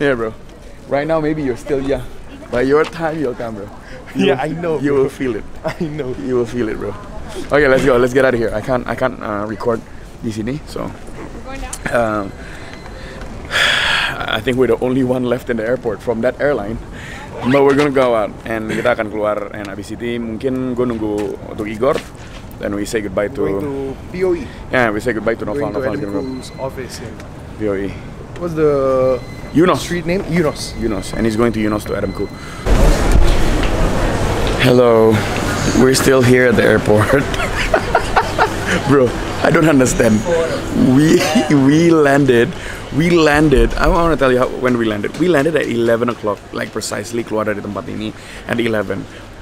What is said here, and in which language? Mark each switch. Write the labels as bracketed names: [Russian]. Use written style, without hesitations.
[English] Yeah, bro. Right now, maybe you're still young. By your time, you'll come, bro. You will feel it, bro. Okay, let's go. Let's get out of here. I can't record [Indonesian] di sini, [English] so. We're going now. I think we're the only one left in the airport from that airline. But we're gonna go out, and [Indonesian] kita akan keluar. And abis itu, mungkin gua nunggu untuk Igor. [English] Then we say goodbye to... Going to POE. Yeah, we say goodbye to Novan. Going to Edmund's office in... POE. What's the... Yunos. Street name? Yunos. Yunos. And he's going to Yunos to Adam Koo. Hello. We're still here at the airport. Bro, I don't understand. We landed. I want to tell you when we landed. We landed at 11 o'clock. Like precisely [Indonesian] keluar dari tempat ini [English] at 11.